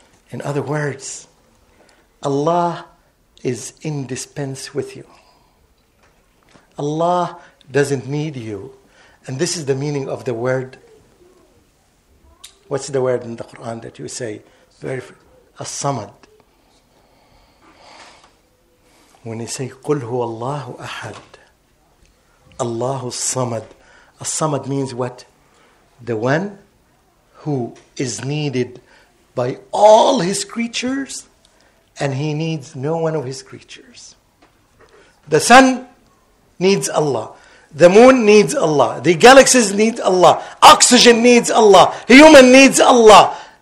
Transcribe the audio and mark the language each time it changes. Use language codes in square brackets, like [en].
[en] In other words, Allah is in dispense with you. Allah doesn't need you. And this is the meaning of the word. What's the word in the Quran that you say? Very as-samad. [ar] When you say, قُلْ هُوَ اللَّهُ أَحَدٌ اللَّهُ الصَّمَدُ. [en] As-samad means what? The one who is needed by all his creatures, and he needs no one of his creatures. The sun needs Allah. The moon needs Allah. The galaxies need Allah. Oxygen needs Allah. Human needs Allah.